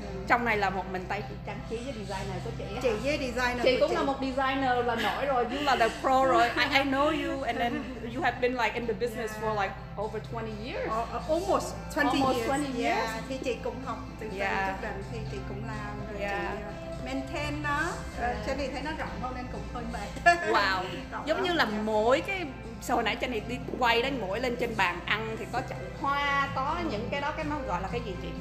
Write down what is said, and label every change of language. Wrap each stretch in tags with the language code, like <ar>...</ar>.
<vi>Trong này là một mình tay trang trí với designer của chị. Chị với designer. Chị cũng là một designer là nổi rồi.</vi> <en>You are the pro rồi. I know you, and then you have been like in the business for like over 20 years. Almost 20 years. Yeah.</en> <vi>Thì chị cũng học từ từ chút đỉnh thì chị cũng làm rồi. Maintain nó. Trên thì thấy nó rộng hơn nên cũng hơi mệt. Wow. Giống như là mỗi cái. Sau hồi nãy trên này đi quay đến mỗi lên trên bàn ăn thì có chậu hoa, có những cái đó, cái nó gọi là cái gì chị?</vi>